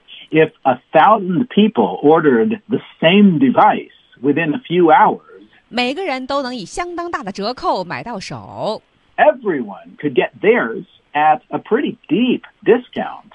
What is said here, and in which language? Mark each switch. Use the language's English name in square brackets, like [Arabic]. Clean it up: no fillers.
[English] If 1,000 people ordered the same device within a few hours [Chinese] 每个人都能以相当大的折扣买到手。 [English] Everyone could get theirs at a pretty deep discount.